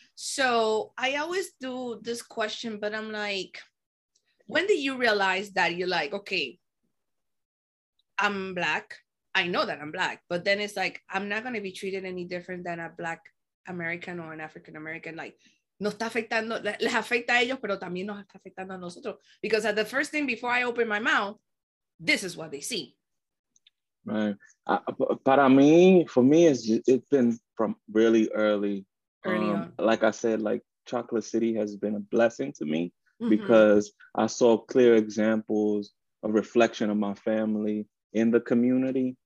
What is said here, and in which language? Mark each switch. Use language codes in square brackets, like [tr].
[en] So I always do this question, but I'm like, when did you realize that you're like, okay, I'm Black. I know that I'm Black, but then it's like, I'm not going to be treated any different than a Black American or an African American. [es] Like, no está afectando, les afecta a ellos, pero también nos está afectando a nosotros. [en] Because at the first thing before I open my mouth, this is what they see. Right. For me, it's been from really early. Early on. Like I said, like Chocolate City has been a blessing to me. Mm-hmm. Because I saw clear examples of reflection of my family in the community.